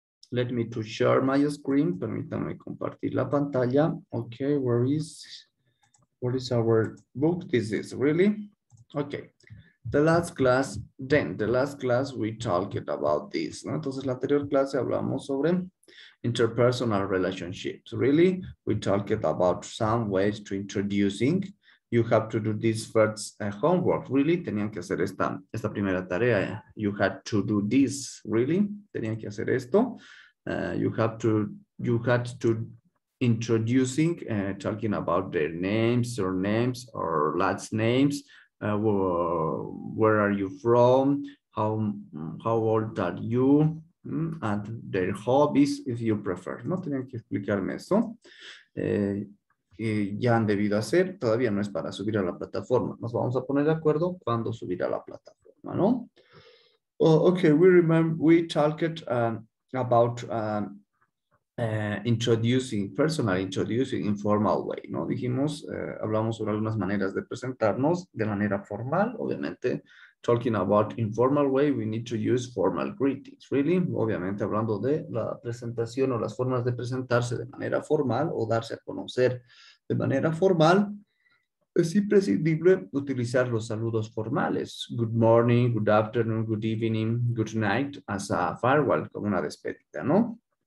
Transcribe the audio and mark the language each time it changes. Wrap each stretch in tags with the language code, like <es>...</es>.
<en>Let me to share my screen.</en> <es>Permítanme compartir la pantalla.</es> <en>Okay, where is our book? This is really okay. The last class we talked about this. ¿No?</en> <es>Entonces, la anterior clase hablamos sobre</es> <en>interpersonal relationships. Really, we talked about some ways to introducing. You have to do this first homework. Really,</en> <es>tenían que hacer esta primera tarea.</es> <en>You had to do this. Really,</en> <es>tenían que hacer esto.</es> <en>You had to introducing, talking about their names, surnames, or last names. Where are you from? How old are you? And their hobbies, if you prefer.</en> <es>No tenían que explicarme eso. Ya han debido hacer, todavía no es para subir a la plataforma. Nos vamos a poner de acuerdo cuando subir a la plataforma, ¿no?</es> <en>Oh, okay, we talked about introducing, informal way, ¿no?</en> <es>Dijimos, hablamos sobre algunas maneras de presentarnos de manera formal, obviamente.</es> <en>Talking about informal way, we need to use formal greetings, really.</en> <es>Obviamente, hablando de la presentación o las formas de presentarse de manera formal o darse a conocer de manera formal, es imprescindible utilizar los saludos formales.</es> <en>Good morning, good afternoon, good evening, good night, as a farewell,</en> <es>como una despedida,</es> <en>¿no?</en>